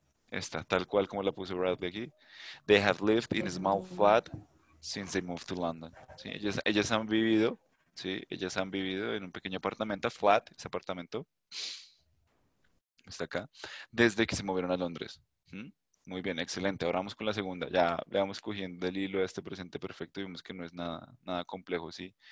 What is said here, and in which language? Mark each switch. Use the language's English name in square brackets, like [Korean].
[Spanish] Esta, tal cual como la puso Bradley aquí. [English] They have lived in a small flat since they moved to London. [Spanish] ¿Sí? Ellas han vivido, ¿sí? Ellas han vivido en un pequeño apartamento, flat, ese apartamento. Está acá. Desde que se movieron a Londres. Muy bien, excelente. Ahora vamos con la segunda. Ya veamos cogiendo el hilo de este presente perfecto y vimos que no es nada complejo, ¿sí?